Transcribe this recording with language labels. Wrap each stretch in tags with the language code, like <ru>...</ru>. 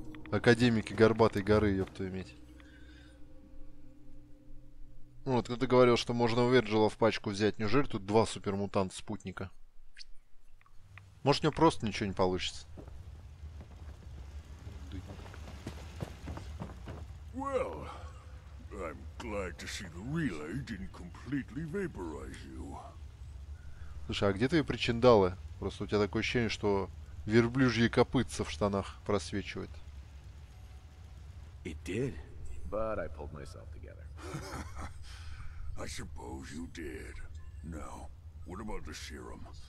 <ru>Академики горбатой горы, ёпту иметь. Вот, кто-то говорил, что можно у Вирджила в пачку взять. Неужели тут два супермутанта-спутника? Может, у него просто ничего не получится.</ru> <en>Well, I'm glad to see the relay didn't completely vaporize you.</en> <ru>Слушай, а где твои причиндалы? Просто у тебя такое ощущение, что верблюжьи копытца в штанах просвечивают.</ru> <en>It did, but I pulled myself together. I suppose you did. Now, what about the serum?</en>